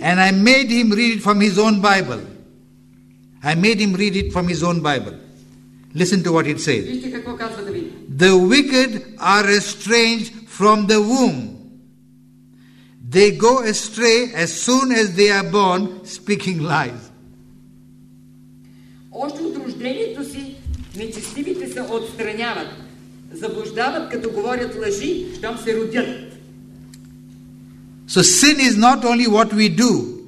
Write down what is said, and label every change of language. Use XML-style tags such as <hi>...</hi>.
<en>And I made him read it from his own Bible. Listen to what it says. The wicked are estranged from the womb. They go astray as soon as they are born, speaking lies.</en> <bg>Още от рождението си нечестивите се отстраняват, заблуждават като говорят лъжи, щом се родят.</bg> <en>So sin is not only what we do.</en>